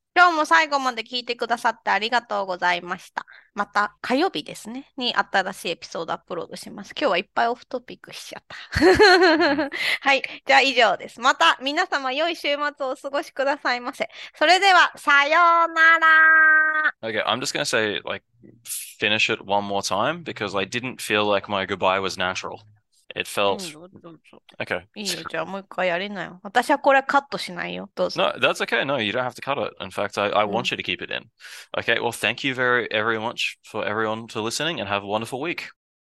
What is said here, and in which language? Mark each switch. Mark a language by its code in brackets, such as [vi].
[ja] 今日も最後まで聞いてくださってありがとうございました。また火曜日ですね、に新しいエピソードアップロードします。今日はいっぱいオフトピックしちゃった。はい。じゃあ以上です。また皆様良い週末をお過ごしくださいませ。それでは、さようなら。 [en] Okay, I'm just gonna say, like, finish it one more time because I didn't feel like my goodbye was natural. It felt. [ja] どうぞ。 [en] Okay. [ja] いいよ、じゃあもう一回やりなよ。私はこれカットしないよ、どうぞ。 [en] No, that's okay. No, you don't have to cut it. In fact, I want you to keep it in. Okay, well, thank you very much for everyone to listening and have a wonderful week.